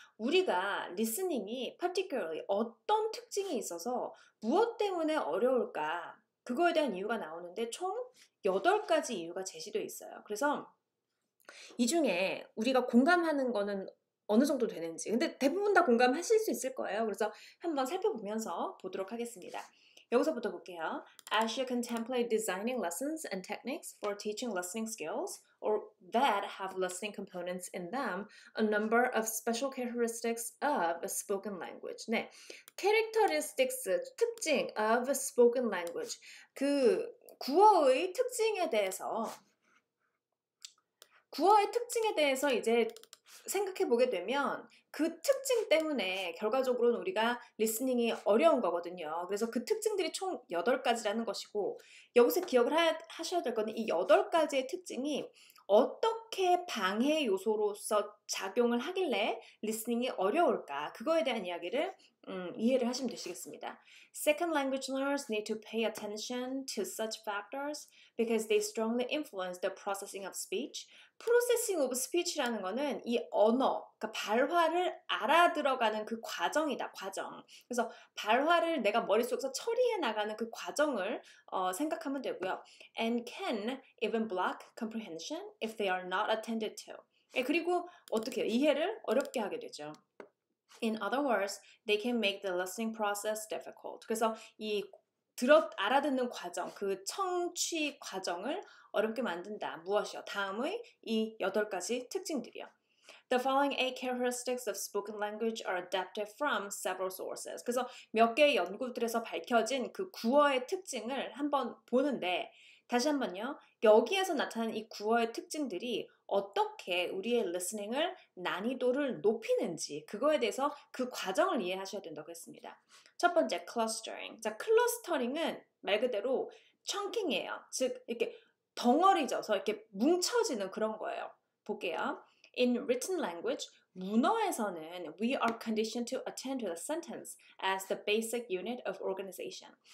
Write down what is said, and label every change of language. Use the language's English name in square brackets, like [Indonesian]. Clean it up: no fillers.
[Korean] 우리가 listening이 particularly 어떤 특징이 있어서 무엇 때문에 어려울까? 그거에 대한 이유가 나오는데 총 8가지 이유가 제시되어 있어요. 그래서 이 중에 우리가 공감하는 거는 어느 정도 되는지. 근데 대부분 다 공감하실 수 있을 거예요. 그래서 한번 살펴보면서 보도록 하겠습니다. 여기서부터 볼게요. [English] As you contemplate designing lessons and techniques for teaching listening skills or that have listening components in them, a number of special characteristics of a spoken language. 네. Characteristics, 특징 of a spoken language. [Korean] 그 구어의 특징에 대해서 이제 생각해 보게 되면 그 특징 때문에 결과적으로는 우리가 리스닝이 어려운 거거든요. 그래서 그 특징들이 총 8가지라는 것이고 여기서 기억을 하셔야 될 거는 이 8가지의 특징이 어떻게 방해 요소로서 작용을 하길래 리스닝이 어려울까? 그거에 대한 이야기를 이해를 하시면 되시겠습니다. [English] Second language learners need to pay attention to such factors because they strongly influence the processing of speech. Processing of speech [Korean] 라는 거는 이 언어, 그러니까 발화를 알아들어가는 그 과정이다, 과정. 그래서 발화를 내가 머릿속에서 처리해 나가는 그 과정을 생각하면 되고요. [English] And can even block comprehension if they are not attended to. [Korean] 그리고 어떻게 이해를 어렵게 하게 되죠. [English] In other words, they can make the listening process difficult. [Korean] 그래서 이 알아듣는 과정, 그 청취 과정을 어렵게 만든다. 무엇이요? 다음의 이 8가지 특징들이요. [English] The following eight characteristics of spoken language are adapted from several sources. [Korean] 그래서 몇 개의 연구들에서 밝혀진 그 구어의 특징을 한번 보는데, 다시 한번요. 여기에서 나타난 이 구어의 특징들이 어떻게 우리의 리스닝을 난이도를 높이는지 그거에 대해서 그 과정을 이해하셔야 된다고 했습니다. 첫 번째, 클러스터링. 자, 클러스터링은 말 그대로 청킹이에요. 즉, 이렇게 덩어리져서 이렇게 뭉쳐지는 그런 거예요. 볼게요. [English] In written language, 문어에서는 we are conditioned to attend to the sentence as the basic unit of organization.